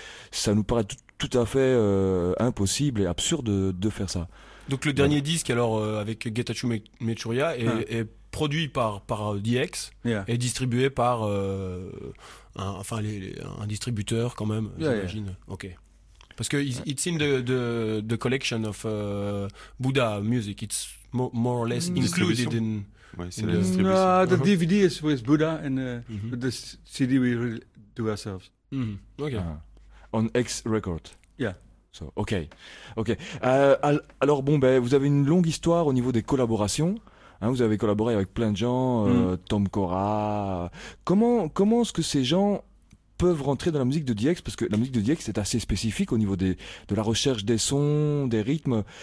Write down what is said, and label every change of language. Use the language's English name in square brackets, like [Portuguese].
[French] Ça nous paraît tout à fait impossible et absurde de faire ça. Donc le dernier disque, alors, avec Getachew Mechuria est produit par DX et distribué par un distributeur quand même, j'imagine. Ok. Parce que [English] it's in the collection of Buddha Music. It's more or less included in. [French] Ouais, c'est in la [English] The DVD is with Buddha and but the CD we really do ourselves. Mm-hmm. Ok. On X Record. Yeah. So ok. [French] Alors bon, vous avez une longue histoire au niveau des collaborations. Hein, vous avez collaboré avec plein de gens, Tom Cora. Comment est-ce que ces gens peuvent rentrer dans la musique de DX? Parce que la musique de DX est assez spécifique au niveau de la recherche des sons, des rythmes.